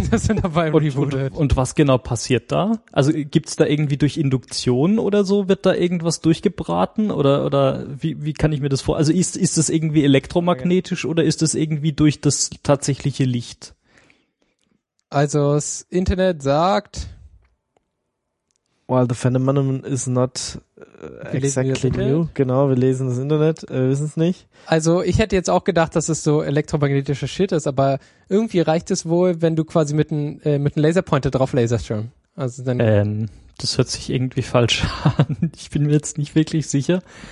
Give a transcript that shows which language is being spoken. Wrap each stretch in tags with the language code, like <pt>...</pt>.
<de>Dass er dabei rebootet. Und was genau passiert da? Also gibt's da irgendwie durch Induktion oder so, wird da irgendwas durchgebraten oder wie kann ich mir das vorstellen? Also ist das irgendwie elektromagnetisch oder ist das irgendwie durch das tatsächliche Licht? Also das Internet sagt...</de> <en>Well, the phenomenon is not exactly new.</en> <de>Genau, wir lesen das Internet, wissen es nicht. Also ich hätte jetzt auch gedacht, dass es so elektromagnetischer Shit ist, aber irgendwie reicht es wohl, wenn du quasi mit einem Laserpointer drauf laserst schon. Also dann das hört sich irgendwie falsch an. Ich bin mir jetzt nicht wirklich sicher.</de>